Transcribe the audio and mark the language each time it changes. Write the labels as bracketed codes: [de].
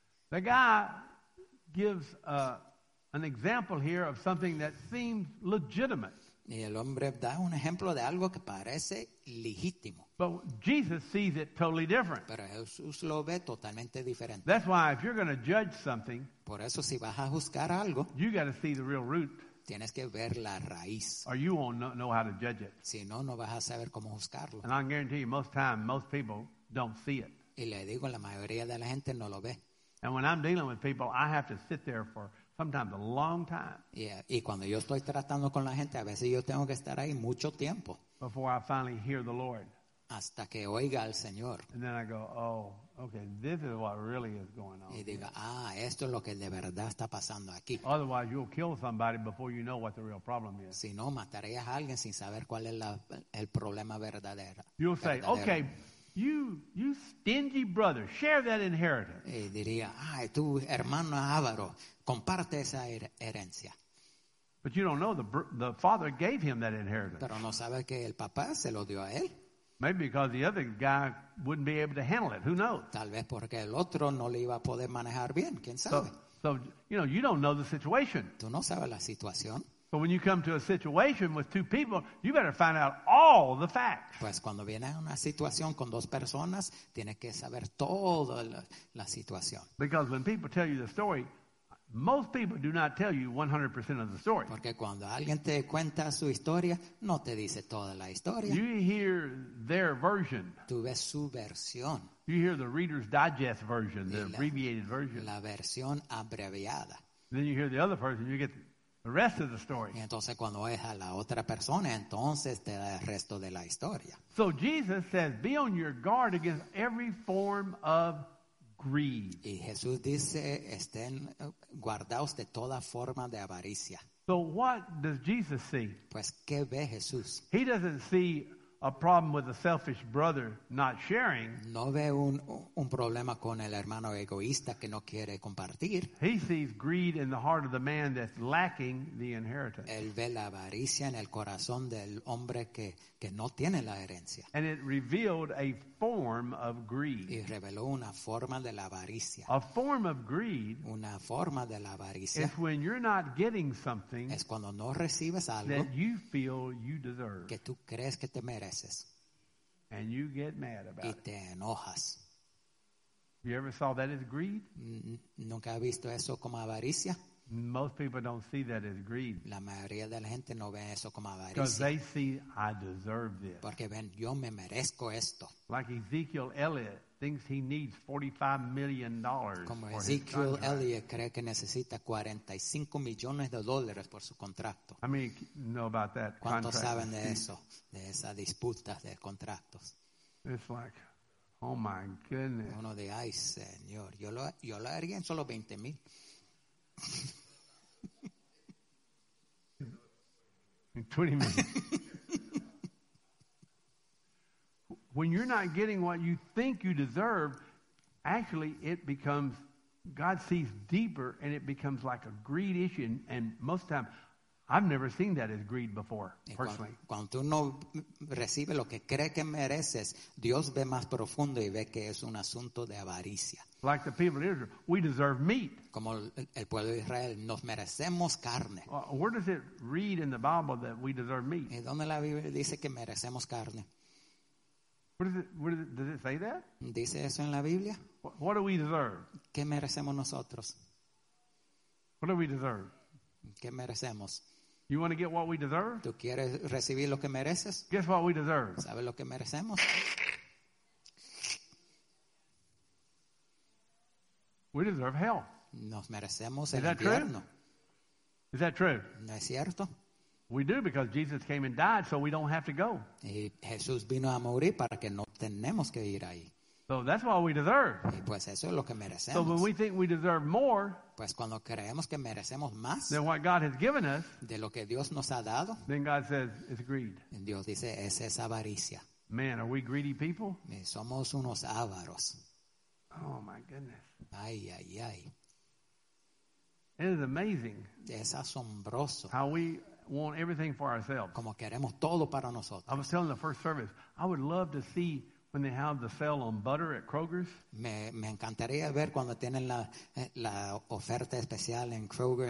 [en] The guy gives an example here of something that seems legitimate. [es] Y el hombre da un ejemplo de algo que parece legítimo. [en] But Jesus sees it totally different. [es] Pero Jesús lo ve totalmente diferente. [en] That's why if you're going to judge something, [es] por eso si vas a juzgar algo, [en] you got to see the real root. [es] Tienes que ver la raíz. [en] Or you won't know how to judge it. [es] Si no, no vas a saber cómo juzgarlo. [en] And I guarantee you, most times, most people don't see it. [es] Y le digo, la mayoría de la gente no lo ve. [en] And when I'm dealing with people, I have to sit there for sometimes a long time. [es] Yeah, y cuando yo estoy tratando con la gente, a veces yo tengo que estar ahí mucho tiempo. [en] Before I finally hear the Lord. [es] Hasta que oiga al Señor. [en] And then I go, oh, okay, this is what really is going on. [es] Y diga, ah, esto es lo que de verdad está pasando aquí. [en] Otherwise, you'll kill somebody before you know what the real problem is. [es] Si no, matarías a alguien sin saber cuál es el problema verdadero. [en] You'll say, okay, you stingy brother, share that inheritance. [es] Y diría, ay, tú, hermano avaro, comparte esa herencia. [en] But you don't know the father gave him that inheritance. [es] Pero no sabe que el papá se lo dio a él. [en] Maybe because the other guy wouldn't be able to handle it. Who knows? [es] Tal vez porque el otro no le iba a poder manejar bien. ¿Quién sabe? [en] So, you know, you don't know the situation. [es] Tú no sabes la situación. [en] But when you come to a situation with two people, you better find out all the facts. [es] Pues cuando viene una situación con dos personas, tiene que saber toda la situación. [en] Because when people tell you the story, most people do not tell you 100% of the story. [es] Porque cuando alguien te cuenta su historia, no te dice toda la historia. [en] You hear their version. [es] Tú ves su versión. [en] You hear the Reader's Digest version, the abbreviated version. [es] La versión abreviada. [en] Then you hear the other person, you get the rest of the story. [es] Y entonces cuando es a la otra persona, entonces te da el resto de la historia. [en] So Jesus says, be on your guard against every form of greed. [es] Y Jesús dice, estén guardados de toda forma de avaricia. [en] So what does Jesus see? [es] Pues, ¿qué ve Jesús? [en] He doesn't see a problem with a selfish brother not sharing. [es] No ve un problema con el hermano egoísta que no quiere compartir. [en] He sees greed in the heart of the man that's lacking the inheritance. [es] Él ve la avaricia en el corazón del hombre que no tiene la herencia. [en] And it revealed a form of greed. [es] Y reveló una forma de la avaricia. [en] A form of greed. [es] Una forma de la avaricia. [en] Is when you're not getting something. [es] Es cuando no recibes algo. [en] That you feel you deserve. [es] Que tú crees que te mereces. [en] And you get mad about it. [es] Y te enojas. [en] You ever saw that as greed? [es] ¿Nunca has visto eso como avaricia? [en] Most people don't see that as greed. [es] La mayoría de la gente no ve eso como avaricia. [en] Because they see I deserve this. [es] Porque ven, yo me merezco esto. [en] Like Ezekiel Elliott thinks he needs $45 million. [es] Como Ezekiel Elliott cree que necesita 45 millones de dólares por su contrato. [en] I mean, know about that contract. [es] ¿Cuántos saben de eso? De esa disputa de contratos. [en] It's like, oh my goodness. [es] Uno de ay, señor. Yo lo haría en solo 20 mil. [en] In 20 minutes. When you're not getting what you think you deserve, actually it becomes, God sees deeper and it becomes like a greed issue. And most of the time, I've never seen that as greed before, personally. [es] Cuando tú no recibes lo que crees que mereces, Dios ve más profundo y ve que es un asunto de avaricia. [en] Like the people of Israel, we deserve meat. [es] Como el pueblo de Israel, nos merecemos carne. [en] Where does it read in the Bible that we deserve meat? [es] ¿Y dónde la Biblia dice que merecemos carne? [en] Does it say that? [es] ¿Dice eso en la Biblia? [en] What do we deserve? [es] ¿Qué merecemos nosotros? [en] What do we deserve? [es] ¿Qué merecemos? [en] You want to get what we deserve? [es] ¿Tú quieres recibir lo que mereces? [en] Guess what we deserve? [es] ¿Sabes lo que merecemos? [en] We deserve hell. [es] Nos merecemos el infierno. [en] Is that true? [es] ¿No es cierto? [en] We do because Jesus came and died, so we don't have to go. [es] Y Jesús vino a morir para que no tenemos que ir ahí. [en] So that's what we deserve. [es] Y pues eso es lo que merecemos. [en] So when we think we deserve more, [es] pues cuando creemos que merecemos más, [en] than what God has given us, [es] de lo que Dios nos ha dado, [en] then God says it's greed. [es] Y Dios dice es esa avaricia. [en] Man, are we greedy people? [es] Y somos unos avaros. [en] Oh my goodness. [es] Ay, ay, ay. [en] It is amazing. [es] Es asombroso. [en] How we want everything for ourselves. [es] Como queremos todo para nosotros. [en] I was telling the first service, I would love to see when they have the sale on butter at Kroger's. [es] Me encantaría ver cuando tienen la oferta especial en Kroger sobre mantequilla.